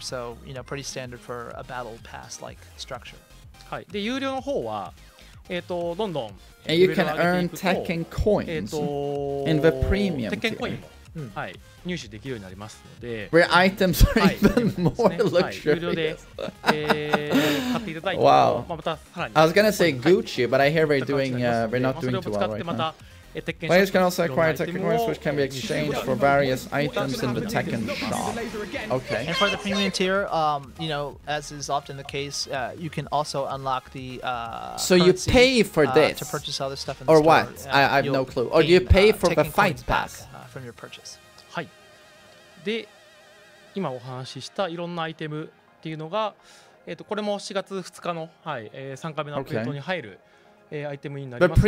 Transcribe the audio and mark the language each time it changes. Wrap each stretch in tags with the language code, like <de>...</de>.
<en>So, you know, pretty standard for a battle pass like structure.</en> <ja>はい、で有料の方は、どんどん</ja> <en>And you can earn Tekken coins in the premium</en> <ja>Tekken coin も、はい、入手できるようになりますので</ja> <en>Where items are even more luxurious、</en> <ja>はい、有料で、買っていただいて、wow. またさらに</ja> <en>I was gonna say Gucci, but I hear they're doing, we're not doing too well right now. Players can also acquire Tekken coins, which can be exchanged for various items in the Tekken shop. Okay. And for the premium tier, you know, as is often the case, you can also unlock the. So you pay for this to purchase other stuff in the store. Or what? I have no clue. Or do you pay for the fight pass from your purchase?</en> <ja>はい。で、今お話ししたいろんなアイテムっていうのが、これも4月2日の、はい、3回目のアップデートに入る。</ja> <en>Okay.</en> <ja>アイテムになりますが</ja>